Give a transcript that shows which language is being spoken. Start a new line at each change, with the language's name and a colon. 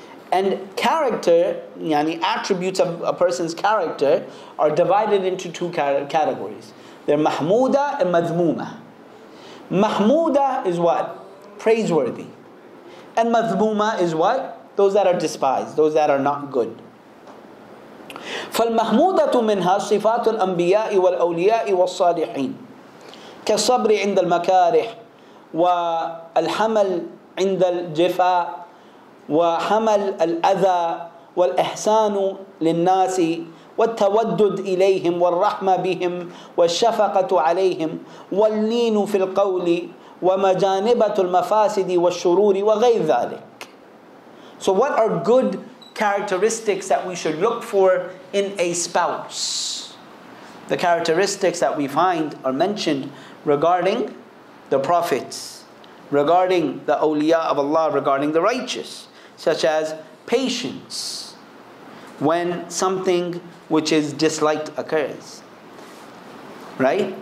English: And character, yani attributes of a person's character, are divided into two categories. They're mahmuda and madhmuma. Mahmuda is what? Praiseworthy. And madhmuma is what? Those that are despised, those that are not good.
Arabic: فَالْمَحْمُودَةُ مِنْهَا صِفَاتُ الْأَنْبِيَاءِ وَالْأَوْلِيَاءِ وَالصَّالِحِينَ كَالصَّبْرِ عِنْدَ الْمَكَارِحِ وَالْحَمَلْ عِنْدَ الْجِفَاءِ وحمل الأذى والإحسان للناس والتودد إليهم والرحمة بهم والشفقة عليهم واللين في القول ومجانبة المفاسد والشرور وغير ذلك.
English: So what are good characteristics that we should look for in a spouse? The characteristics that we find are mentioned regarding the prophets, regarding the awliya of Allah, regarding the righteous, such as patience when something which is disliked occurs, right?